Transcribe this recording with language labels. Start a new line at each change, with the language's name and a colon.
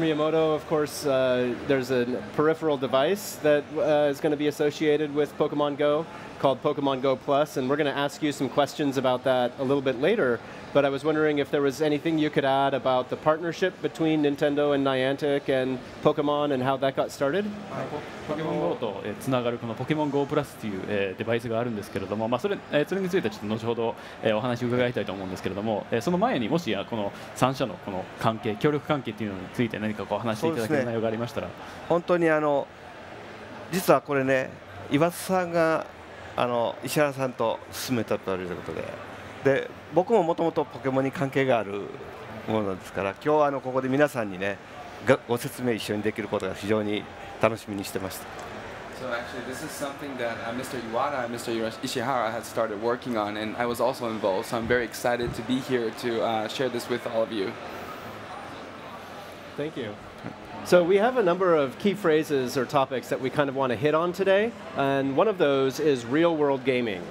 English: Miyamoto, of course, there's a peripheral device that is going to be associated with Pokemon Go called Pokemon Go Plus, and we're going to ask you some questions about that a little bit later. But I was wondering if there was anything you could add about the partnership between Nintendo and Niantic and Pokemon and how that got started?
Japanese: Pokemon Go とつながるこの Pokemon Go Plus というデバイスがあるんですけれども、まあ、それについてちょっと後ほどお話を伺いたいと思うんですけれども、その前にもしやこの3社のこの関係、協力関係というのについて何かこう話していただける内容がありましたら。本当に実はこれね、岩田さんが石原さんと進めたということで、で僕ももともとポケモンに関係があるものですから、今日はここで皆さんにね ご説明一緒にできることが非常に楽しみにしてました。
English: So actually this is something that Mr. Iwata and Mr. Ishihara had started working on and I was also involved, so I'm very excited to be here to share this with all of you. Thank you. So we have a number of key phrases or topics that we kind of want to hit on today, and one of those is real-world gaming.